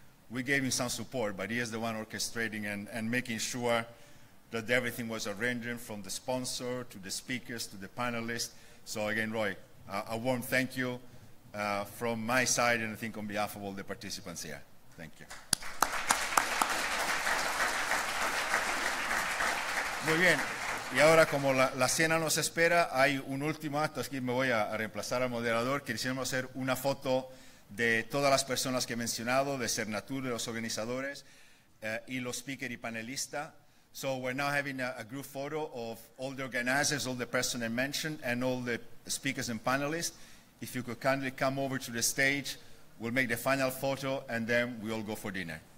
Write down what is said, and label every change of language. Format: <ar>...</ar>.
<en>We gave him some support, but he is the one orchestrating and making sure that everything was arranged, from the sponsor to the speakers to the panelists. So again, Roy, a warm thank you from my side, and I think on behalf of all the participants here. Thank you.</en> <es>Muy bien, y ahora como la cena nos espera, hay un último acto, así que me voy a reemplazar al moderador. Quisiéramos hacer una foto de todas las personas que he mencionado, de Cernatur, de los organizadores, y los speaker y panelista.</es> <en>So we're now having a group photo of all the organizers, all the person I mentioned, and all the speakers and panelists. If you could kindly come over to the stage, we'll make the final photo, and then we all go for dinner.</en>